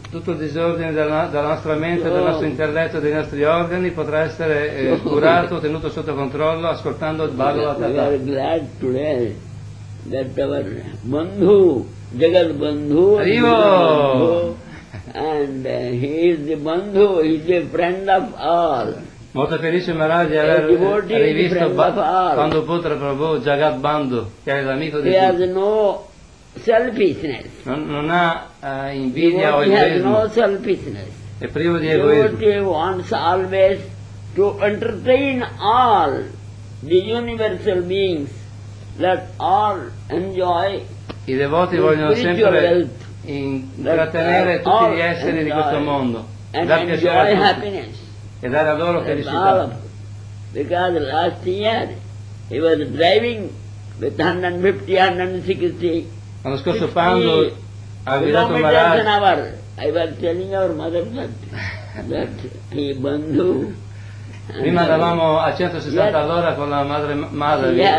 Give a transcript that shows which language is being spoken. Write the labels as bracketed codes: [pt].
[it] Tutto il disordine della nostra mente, del nostro intelletto, dei nostri organi potrà essere curato, tenuto sotto controllo ascoltando il Bhagavad Katha. [en] We are glad today that our Bandhu, Jagat Bandhu, [it] arrivo! [en] And he is the Bandhu, he is a friend of all. [it] Molto felice Maharaj di aver rivisto Pandaputra Prabhu, Jagat Bandhu, che è l'amico di [en] tutti. Selfishness. [it] Non ha invidia o [en] egoismo. No selfishness. [it] È privo di egoismo. [en] Devotee wants always to entertain all the universal beings, let all enjoy. [it] I devoti vogliono sempre intrattenere tutti gli esseri di questo mondo, dare piacere a tutti e dare a loro felicità. [en] Because last year he was driving with 150, 160. [it] L'anno scorso Pandu ha guidato Maharaj. [en] I was telling our mother that he Bandhu. [it] Prima andavamo a 160 all'ora con la madre Madhavi.